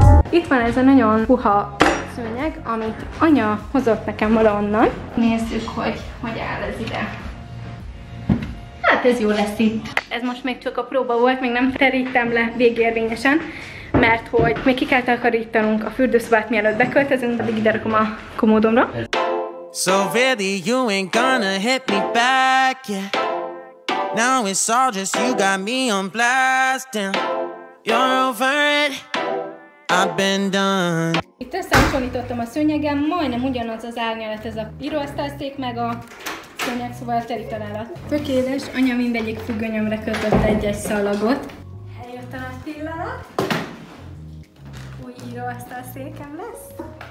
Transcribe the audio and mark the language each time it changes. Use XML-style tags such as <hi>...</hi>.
<hu>Itt van ez a nagyon puha szőnyeg, amit anya hozott nekem valahonnan. Nézzük, hogy áll ez ide. Hát ez jó lesz itt. Ez most még csak a próba volt, még nem terítem le végérvényesen, mert hogy még ki kell takarítanunk a fürdőszobát, mielőtt beköltözünk, addig ide rakom a komódomra.</hu> <en>So really you ain't gonna hit me back, yeah. Now it's all just you got me on blast, damn. You're over it, I've been done.</en> <hu>Itt összehasonlítottam a szőnyegem, majdnem ugyanaz az árnyalat, ez a íróasztalszék meg a szőnyeg, szóval a teli találat. Tökéletes, anya mindegyik függönyömre kötött egy-egy szalagot. Eljött a nagy pillanat. Új íróasztalszékem lesz.</hu>